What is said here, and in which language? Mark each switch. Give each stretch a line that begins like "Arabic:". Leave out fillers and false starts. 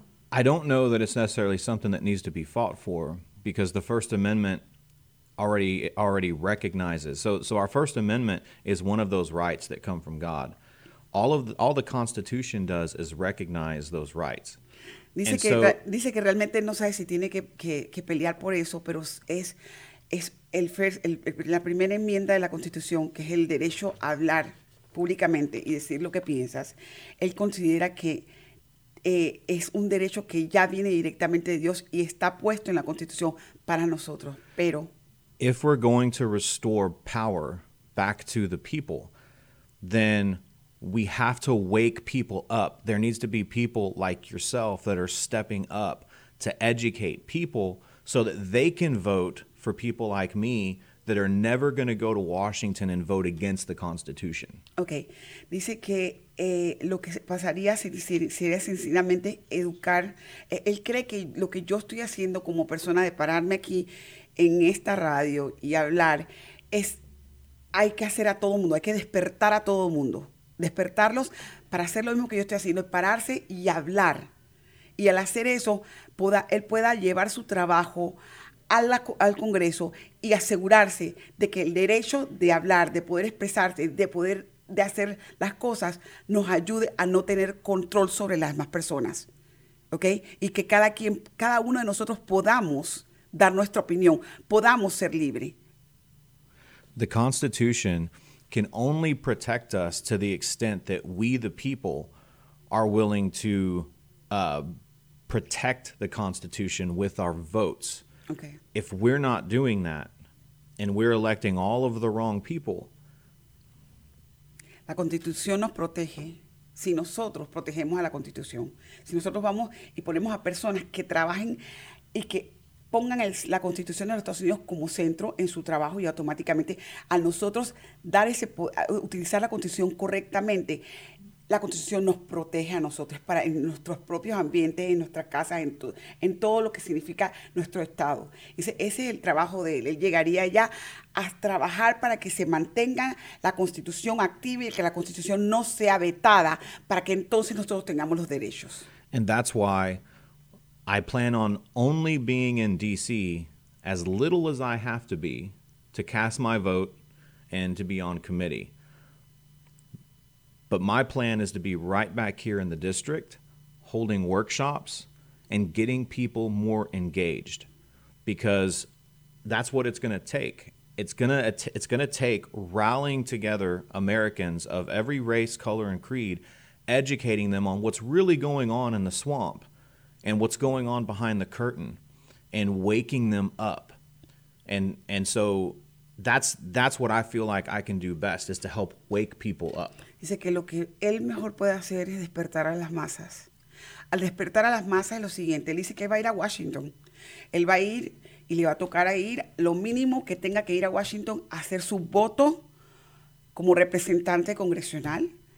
English: I don't know that it's necessarily something that needs to be fought for, because the First Amendment already recognizes. So our First Amendment is one of those rights that come from God. All the Constitution does is recognize those rights.
Spanish: Dice que realmente no sabe si tiene que pelear por eso, pero es la primera enmienda de la Constitución, que es el derecho a hablar públicamente y decir lo que piensas. Él considera que es un derecho que ya viene directamente de Dios y está puesto en la Constitución para nosotros. Pero
English: if we're going to restore power back to the people, then we have to wake people up. There needs to be people like yourself that are stepping up to educate people so that they can vote for people like me that are never going to go to Washington and vote against the Constitution. Okay.
Spanish: Dice que lo que pasaría sería sencillamente educar. Él cree que lo que yo estoy haciendo como persona de pararme aquí en esta radio y hablar es hay que hacer a todo mundo, hay que despertar a todo mundo. Despertarlos para hacer lo mismo que yo estoy haciendo, pararse y hablar. y al hacer eso, él pueda llevar su trabajo al Congreso y asegurarse de que el derecho de hablar, de poder expresarse, de poder de hacer las cosas, nos ayude a no tener control sobre las demás personas, ¿ok? Y que cada uno de nosotros podamos dar nuestra opinión, podamos ser libre.
English: The Constitution can only protect us to the extent that we, the people, are willing to protect the Constitution with our votes. Okay. If we're not doing that, and we're electing all of the wrong people.
Spanish: La Constitución nos protege si nosotros protegemos a la Constitución. Si nosotros vamos y ponemos a personas que trabajen y que pongan la Constitución de los Estados Unidos como centro en su trabajo y automáticamente a nosotros dar ese utilizar la Constitución correctamente, la Constitución nos protege a nosotros para en nuestros propios ambientes, en nuestras casas, en todo lo que significa nuestro Estado. Ese es el trabajo de él. Él llegaría ya a trabajar para que se mantenga la Constitución activa y que la Constitución no sea vetada para que entonces nosotros tengamos los derechos.
English: And that's why I plan on only being in D.C. as little as I have to be to cast my vote and to be on committee. But my plan is to be right back here in the district, holding workshops and getting people more engaged, because that's what it's going to take. It's going to take rallying together Americans of every race, color, and creed, educating them on what's really going on in the swamp and what's going on behind the curtain, and waking them up. And so that's what I feel like I can do best, is to help wake people up.
Spanish: Dice que lo que él mejor puede hacer es despertar a las masas. Al despertar a las masas es lo siguiente. Él dice que va a ir a Washington. Él va a ir y le va a tocar a ir lo mínimo que tenga que ir a Washington a hacer su voto como representante congresional.